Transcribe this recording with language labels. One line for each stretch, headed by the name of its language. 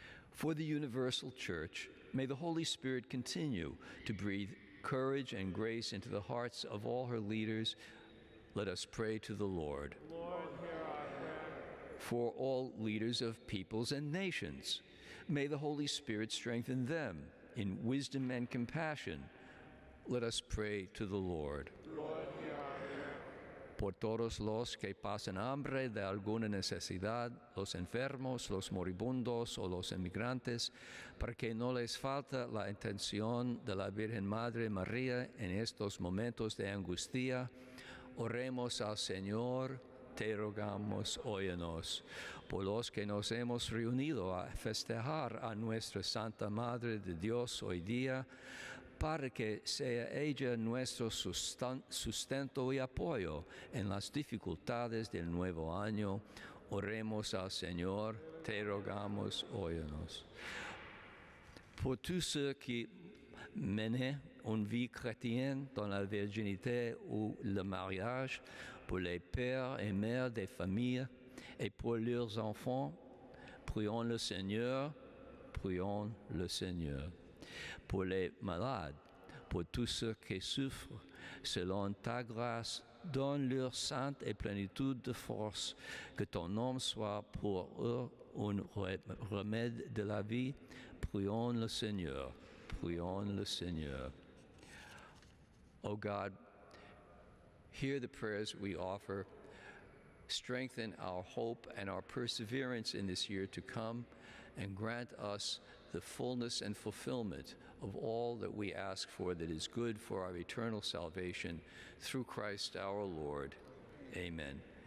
English: For the universal church, may the Holy Spirit continue to breathe courage and grace into the hearts of all her leaders. Let us pray to the Lord. Lord, hear our prayer. For all leaders of peoples and nations, may the Holy Spirit strengthen them in wisdom and compassion. Let us pray to the Lord. Lord, hear our prayer.
Spanish: Por todos los que pasan hambre de alguna necesidad, los enfermos, los moribundos o los emigrantes, para que no les falte la intención de la Virgen Madre María en estos momentos de angustia, oremos al Señor, te rogamos, óyenos. Por los que nos hemos reunido a festejar a nuestra Santa Madre de Dios hoy día, para que sea ella nuestro sustento y apoyo en las dificultades del nuevo año, oremos al Señor, te rogamos, óyenos.
French: Por tous ceux qui menaient une vie chrétienne dans la virginité ou le mariage, pour les pères et mères des familles et pour leurs enfants, prions le Seigneur, prions le Seigneur. Pour les malades, pour tous ceux qui souffrent, selon ta grâce, donne leur sainte et plénitude de force, que ton nom soit pour eux un remède de la vie, prions le Seigneur, prions le Seigneur.
English: O God, hear the prayers we offer, strengthen our hope and our perseverance in this year to come, and grant us the fullness and fulfillment of all that we ask for that is good for our eternal salvation, through Christ our Lord. Amen.